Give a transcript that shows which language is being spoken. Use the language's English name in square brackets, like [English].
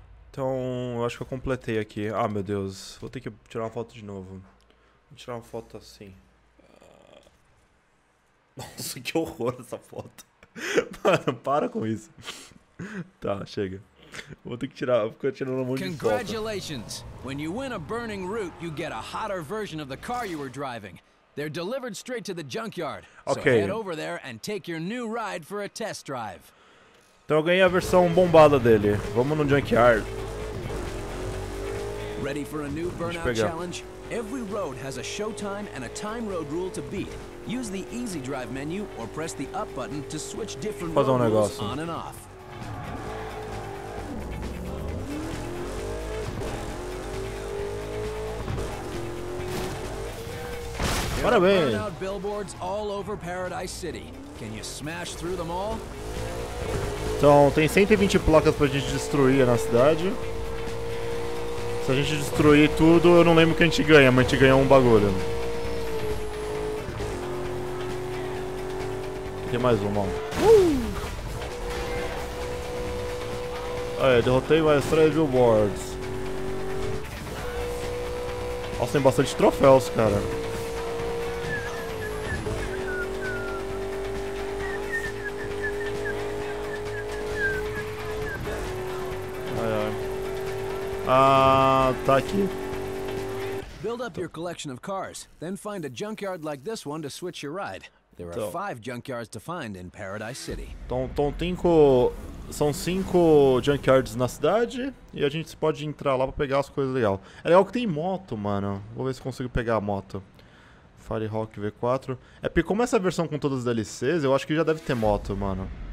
[Portuguese] Então, eu acho que eu completei aqui. Ah, meu Deus, vou ter que tirar uma foto de novo. Vou tirar uma foto assim. Nossa, que horror essa foto. Mano, para com isso. Tá, chega. Vou ter que tirar, vou ficar tirando um monte de foto. [English] Congratulations. When you win a burning route, you get a hotter version of the car you were driving. They're delivered straight to the junkyard. Okay. So head over there and take your new ride for a test drive. [Portuguese] Então eu ganhei a versão bombada dele. Vamos no junkyard. [English] Ready for a new burnout challenge? Every road has a showtime and a time road rule to beat. Use the easy drive menu or press the up button to switch different modes on and off. [Portuguese] Parabéns. [English] There are burnout billboards all over Paradise City. Can you smash through them all? [Portuguese] Então, tem 120 placas pra gente destruir na cidade. Se a gente destruir tudo, eu não lembro o que a gente ganha, mas a gente ganha um bagulho. Mais uma. Aí, derrotei mais 3 billboards. Nossa, tem bastante troféus, cara. Ai, ai. Ah, tá aqui. [English] Build up your collection of cars, then find a junkyard like this one to switch your ride. There are 5 junkyards to find in Paradise City. [Portuguese] Então, são 5 junkyards na cidade e a gente pode entrar lá pra pegar as coisas legal. É legal que tem moto, mano. Vou ver se consigo pegar a moto. Firehawk V4. É porque como essa versão com todas as DLCs, eu acho que já deve ter moto, mano.